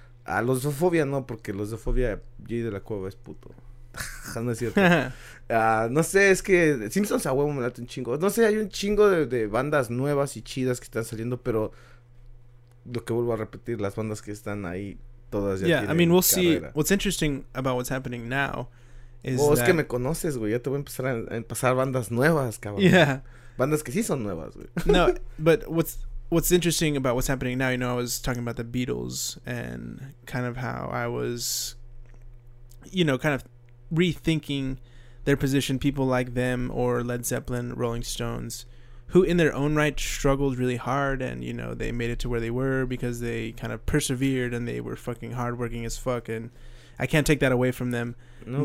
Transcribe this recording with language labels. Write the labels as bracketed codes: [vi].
[es] A los de Fobia no, porque los de Fobia, Jay de la Cueva es puto. No es cierto. No sé, es que Simpsons a huevo me late un chingo. No sé, hay un chingo de bandas nuevas y chidas que están saliendo, pero lo que vuelvo a repetir, las bandas que están ahí todas ya, [en] yeah, [es] tienen, [en] I mean, we'll [es] carrera. [en] See what's interesting about what's happening now is, [es] oh, es que me conoces, güey, ya te voy a empezar a pasar bandas nuevas, cabrón. [en] Yeah. [es] Bandas que sí son nuevas, güey. [en] No, but what's interesting about what's happening now, you know, I was talking about the Beatles and kind of how I was, you know, kind of rethinking their position, people like them or Led Zeppelin, Rolling Stones, who in their own right struggled really hard, and you know, they made it to where they were because they kind of persevered and they were fucking hardworking as fuck, and I can't take that away from them. Nope.